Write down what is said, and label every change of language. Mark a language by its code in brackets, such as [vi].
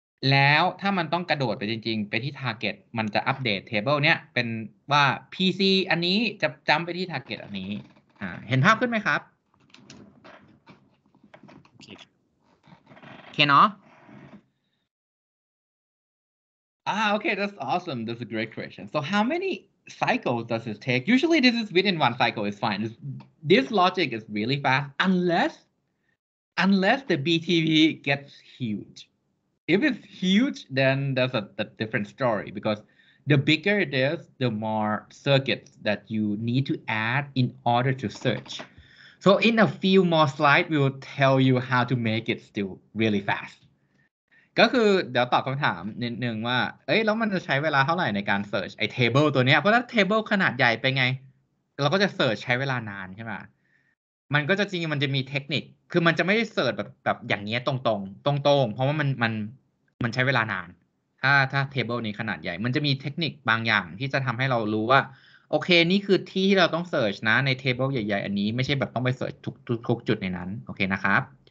[th] แล้วถ้ามันต้องกระโดดไปจริงๆไปที่ target มันจะอัปเดต table เนี้ยเป็นว่า PC อันนี้จะจำไปที่ target อันนี้เห็นภาพขึ้นไหมครับโอเคเนาะ [en] Okay, that's awesome. That's a great question. So how many cycles does this take? Usually this is within one cycle, it's fine. This logic is really fast, unless the BTB gets huge. If it's huge, then that's a different story, because the bigger it is, the more circuits that you need to add in order to search. So in a few more slides, we will tell you how to make it still really fast. [th] ก็คือเดี๋ยวตอบคำถามนิดนึงว่าเอ้ยแล้วมันจะใช้เวลาเท่าไหร่ในการเสิร์ชไอ้เทเบิลตัวเนี้ยเพราะถ้าเทเบิลขนาดใหญ่ไปไงเราก็จะเสิร์ชใช้เวลานานใช่ป่ะมันก็จะจริงมันจะมีเทคนิคคือมันจะไม่ได้เสิร์ชแบบอย่างเงี้ยตรงเพราะว่ามันใช้เวลานานถ้าเทเบิลนี้ขนาดใหญ่มันจะมีเทคนิคบางอย่างที่จะทำให้เรารู้ว่าโอเคนี่คือที่ที่เราต้องเสิร์ชนะในเทเบิลใหญ่ๆอันนี้ไม่ใช่แบบต้องไปเสิร์ชทุกจุดในนั้นโอเคนะครับ